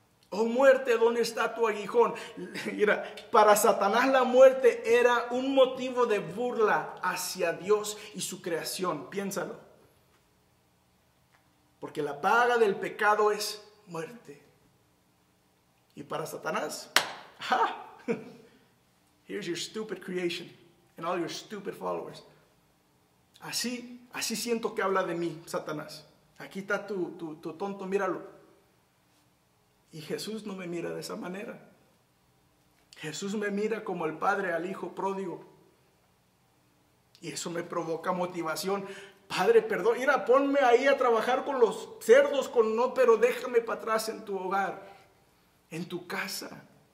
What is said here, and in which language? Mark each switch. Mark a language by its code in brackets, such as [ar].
[es] Oh muerte, ¿dónde está tu aguijón? Mira, para Satanás la muerte era un motivo de burla hacia Dios y su creación. Piénsalo. Porque la paga del pecado es muerte. Y para Satanás, ¡ja! [en] Here's your stupid creation and all your stupid followers. [es] Así siento que habla de mí, Satanás. Aquí está tu tonto, míralo. Y Jesús no me mira de esa manera. Jesús me mira como el padre al hijo pródigo. Y eso me provoca motivación. Padre, perdón, mira, ponme ahí a trabajar con los cerdos, pero déjame para atrás en tu hogar, en tu casa.